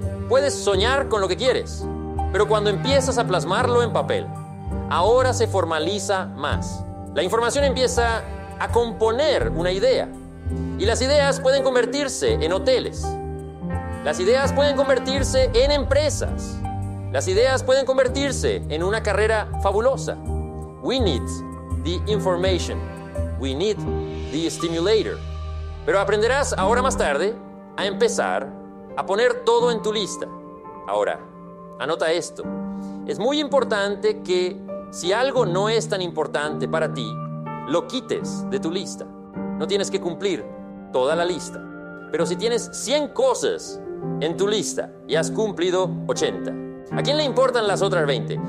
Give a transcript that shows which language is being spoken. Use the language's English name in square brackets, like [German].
[Spanish] Puedes soñar con lo que quieres, pero cuando empiezas a plasmarlo en papel, ahora se formaliza más. La información empieza a componer una idea. Y las ideas pueden convertirse en hoteles. Las ideas pueden convertirse en empresas. Las ideas pueden convertirse en una carrera fabulosa. [English] We need the information. We need the stimulator. [Spanish] Pero aprenderás ahora más tarde a empezar a poner todo en tu lista. Ahora, anota esto. Es muy importante que si algo no es tan importante para ti, lo quites de tu lista. No tienes que cumplir toda la lista. Pero si tienes 100 cosas en tu lista y has cumplido 80, ¿a quién le importan las otras 20?